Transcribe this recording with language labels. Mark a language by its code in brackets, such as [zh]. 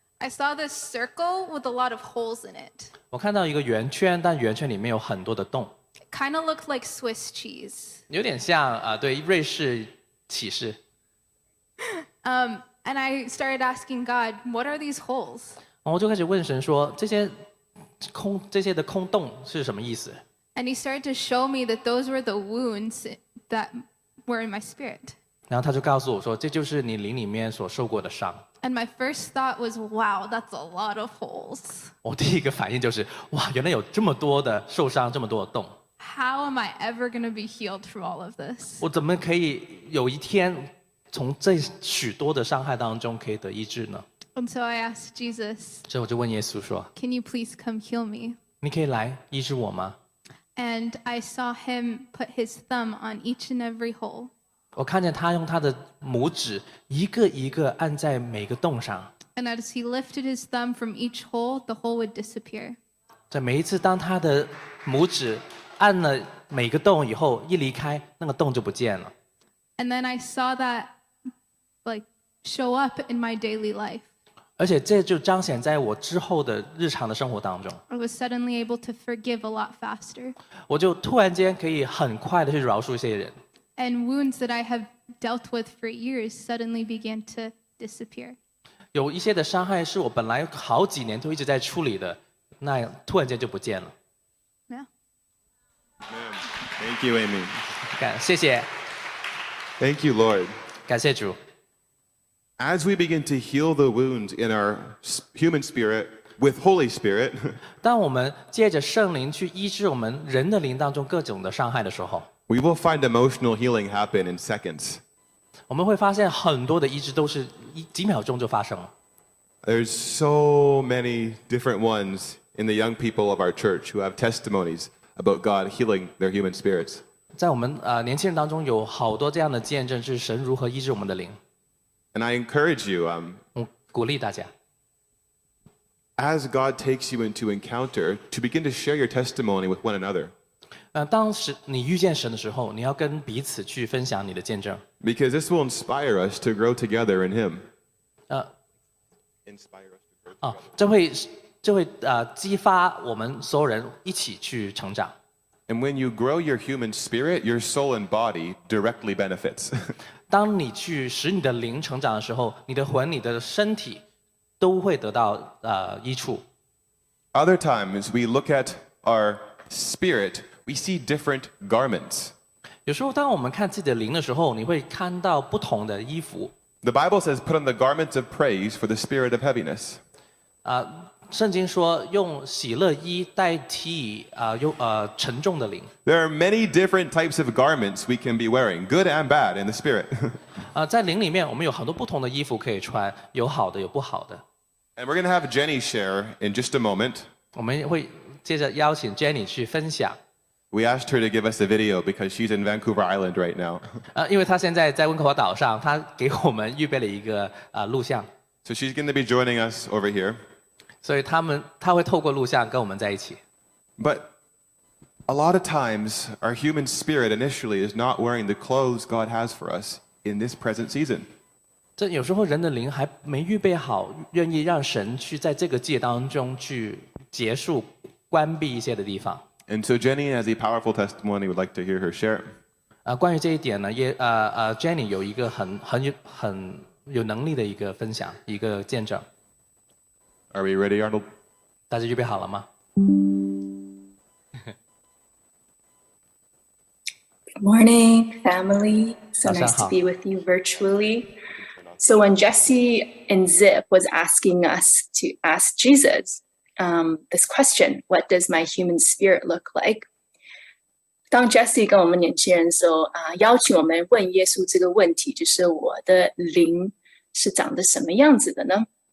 [en] I saw this circle with a lot of holes in it. [zh] 我看到一个圆圈，但圆圈里面有很多的洞。 [en] Kind of looked like Swiss cheese. [zh] 有点像对瑞士起士。 [en] And I started asking God, what are these holes? [zh] 我就开始问神说，这些的空洞是什么意思？ [en] And he started to show me that those were the wounds that were in my spirit. [zh] 然后他就告诉我说，这就是你灵里面所受过的伤。 [en] And my first thought was, wow, that's a lot of holes. [zh] 我第一个反应就是，哇，原来有这么多的受伤，这么多的洞。 [en] How am I ever going to be healed from all of this? [zh] 我怎么可以有一天从这许多的伤害当中可以得医治呢？ [en] And so I asked Jesus. [zh] 所以我就问耶稣说， [en] Can you please come heal me? [zh] 你可以来医治我吗？ [en] And I saw him put his thumb on each and every hole. [zh] 我看见他用他的拇指一个一个按在每个洞上。 [en] And as he lifted his thumb from each hole, the hole would disappear. [zh] 在每一次当他的拇指按了每个洞以后，一离开，那个洞就不见了。 [en] And then I saw that, like, show up in my daily life. [zh] 而且这就彰显在我之后的日常的生活当中。 [en] I was suddenly able to forgive a lot faster. [zh] 我就突然间可以很快的去饶恕一些人。 [en] And wounds that I have dealt with for years suddenly began to disappear. [zh] 有一些的伤害是我本来好几年都一直在处理的，那突然间就不见了。 [en] Thank you, Amy. [zh] 感谢谢。 [en] Thank you, Lord. [zh] 感谢主。 [en] As we begin to heal the wounds in our human spirit with Holy Spirit, [zh] 当我们借着圣灵去医治我们人的灵当中各种的伤害的时候 [en] ，we will find emotional healing happen in seconds. [zh] 我们会发现很多的医治都是几秒钟就发生了。 [en] There's so many different ones in the young people of our church who have testimonies. About God healing their human spirits. [zh] 在我们年轻人当中有好多这样的见证，是神如何医治我们的灵。 [en] And I encourage you. [zh] 我鼓励大家。 [en] As God takes you into encounter, to begin to share your testimony with one another. [zh] 当时你遇见神的时候，你要跟彼此去分享你的见证。 [en] Because this will inspire us to grow together in Him. Inspire us to grow together. [zh] 这会激发我们所有人一起去成长。 [en] And when you grow your human spirit, your soul and body directly benefits. [zh] 当你去使你的灵成长的时候，你的魂、你的身体都会得到益处。 [en] Other times we look at our spirit. We see different garments. [zh] 有时候当我们看自己的灵的时候，你会看到不同的衣服。 [en] The Bible says, put on the garments of praise for the spirit of heaviness. [zh] 圣经说用喜乐衣代替沉重的灵。 [en] There are many different types of garments we can be wearing, good and bad in the spirit. [zh] 在灵里面我们有很多不同的衣服可以穿，有好的有不好的。 [en] And we're going to have Jenny share in just a moment. [zh] 我们会接着邀请 Jenny 去分享。 [en] We asked her to give us a video because she's in Vancouver Island right now. [zh] 因为她现在在温哥华岛上，她给我们预备了一个录像。 [en] So she's going to be joining us over here. [zh] 所以她会透过录像跟我们在一起。 [en] But a lot of times, our human spirit initially is not wearing the clothes God has for us in this present season. [zh] 这有时候人的灵还没预备好，愿意让神去在这个季节当中去结束、关闭一些的地方。 [en] And so Jenny has a powerful testimony. Would like to hear her share. [zh] 关于这一点呢，Jenny 有一个很有能力的一个分享，一个见证。 [en] Are we ready, Arnold? [zh] 大家预备好了吗？ [en] Good morning, family. So nice to be with you virtually. So when Jesse and Zip was asking us to ask Jesus. This question, what does my human spirit look like? [zh] 当 Jesse 跟我们年轻人说、邀请我们问耶稣这个问题，就是我的灵是长得什么样子的呢？